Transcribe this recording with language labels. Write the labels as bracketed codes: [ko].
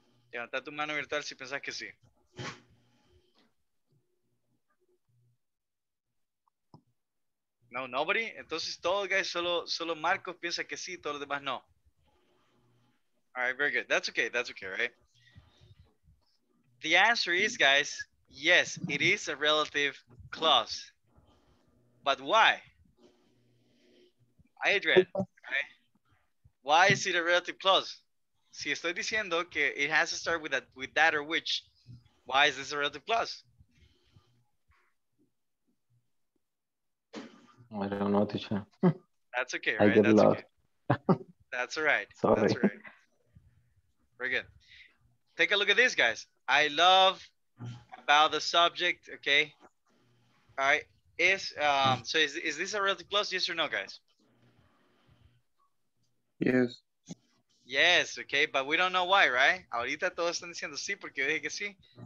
[es] Levanta tu mano virtual si pensas que sí. [en] No, nobody? [es] Entonces, todos, guys, solo Marcos piensa que sí, todos los demás no. [en] All right, very good. That's okay, right? The answer is, guys, yes, it is a relative clause. But why? Adrian, right? Why is it a relative clause? [es] Si estoy diciendo que [en] it has to start with that or which, why is this a relative clause? I don't know, teacher. That's okay, right? I get that's lost. Okay. That's all right. Sorry. That's right. Very good. Take a look at these guys. I love about the subject, okay? All right. Is this a relative clause, yes or no, guys? Yes. Yes, okay, but we don't know why, right? [es] Ahorita todos están diciendo sí porque yo dije que sí.